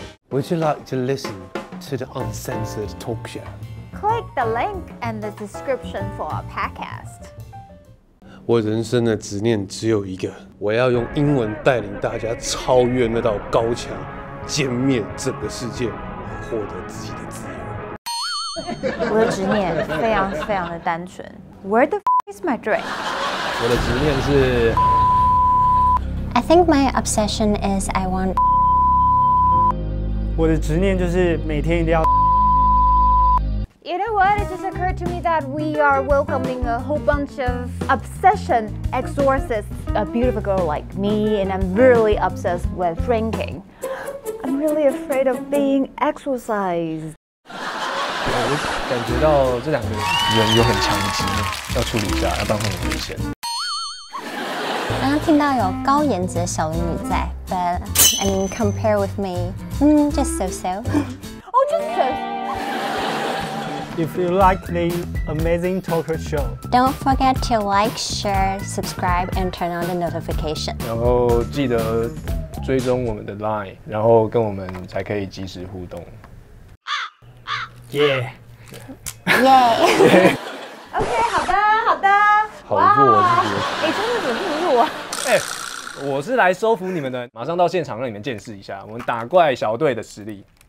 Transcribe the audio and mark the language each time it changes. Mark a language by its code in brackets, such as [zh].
[en] Would you like to listen to the uncensored talk show? Click the link in the description for our podcast. [zh] 我人生的执念只有一个，我要用英文带领大家超越那道高墙，歼灭整个世界，获得自己的自由。我的执念非常非常的单纯。 [en] Where the f is my dream? [zh] 我的执念是。 [en] I think my obsession is I want. [zh] 我的执念就是每天一定要。 [en] You know what? It just occurred to me that we are welcoming a whole bunch of obsession exorcists. A beautiful girl like me, and I'm really obsessed with drinking. I'm really afraid of being exorcised. [zh] 我感觉到这两个人有很强的执念，要处理一下，要不然会很危险。刚刚听到有高颜值的小龙女在 ， [en] but I mean compare with me. Just so so. Oh, just so. If you like the amazing talk show, don't forget to like, share, subscribe, and turn on the notification. [zh] 然后记得追踪我们的 Line， 然后跟我们才可以及时互动。 [en] Yeah. Yeah. [zh] Okay, 好的，好的。好弱，真的，你真的很弱。我是来收服你们的，马上到现场让你们见识一下我们打怪小队的实力。